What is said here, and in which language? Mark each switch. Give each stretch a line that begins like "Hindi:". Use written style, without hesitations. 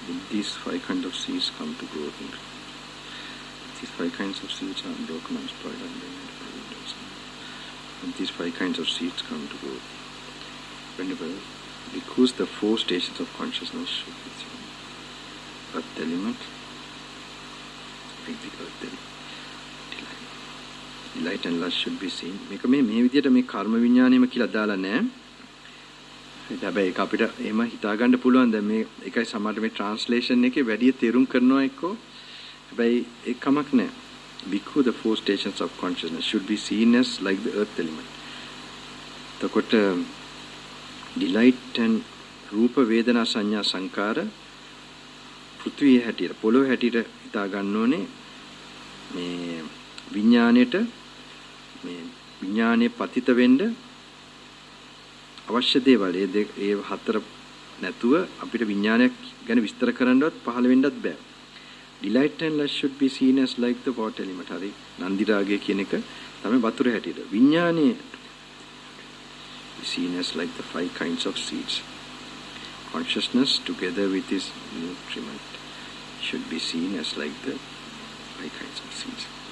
English: These five kinds of seeds come to grow. These five kinds of seeds are broken and spoiled, and it doesn't. And these five kinds of seeds come to grow. Whenever, because the four stations of consciousness should be seen. Earth element, physical element, delight. Delight and lust should be seen.
Sinhala: මේක මේ මේ විදිහට මේ කර්ම විඥාණයම කියලා දාලා නැහැ. ඉතින් හැබැයි ඒක අපිට එහෙම හිතා ගන්න පුළුවන්. දැන් මේ එකයි සමහර මේ ට්‍රාන්ස්ලේෂන් එකේ වැඩි තේරුම් කරනවා එක්කෝ. හැබැයි ඒක කමක් නැහැ.
English: Bhikkhu, the four stations of consciousness should be seen as like the earth element.
Sinhala: එතකොට
English: delight and
Sinhala: රූප වේදනා සංඥා සංකාර පෘථිවිය හැටියට පොළොව හැටියට හිතා ගන්න ඕනේ. මේ විඥාණයට මේ විඥාණය පතිත වෙන්න අවශ්‍ය දේවල් ඒ හතර නැතුව අපිට විඥානයක් ගැන විස්තර කරන්නවත් පහළ වෙන්නත් බෑ.
English: Delight and lust should be seen as like the water element.
Sinhala: හරි, නන්දි රාගය කියන එක තමයි වතුර හැටියට.
English: විඥාණය seen as like the five kinds of seeds. Consciousness together with this nutriment should be seen as like the five kinds of seeds.